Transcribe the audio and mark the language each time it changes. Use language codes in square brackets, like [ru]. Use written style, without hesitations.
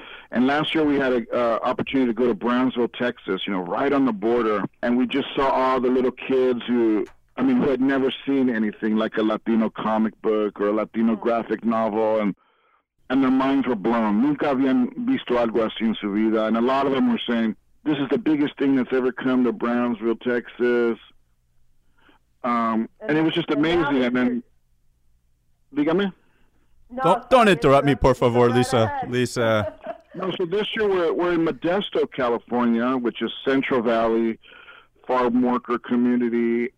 [en] And last year we had an opportunity to go to Brownsville, Texas, you know, right on the border. And we just saw all the little kids who had never seen anything like a Latino comic book or a Latino graphic novel. And their minds were blown. [es] Nunca habían visto algo así en su vida. [en] And a lot of them were saying, this is the biggest thing that's ever come to Brownsville, Texas. And it was just amazing. And then, [es] dígame. [en] No, don't interrupt me, por favor, Lisa. Lisa. No, so this year we're in Modesto, California, which is Central Valley farm worker community.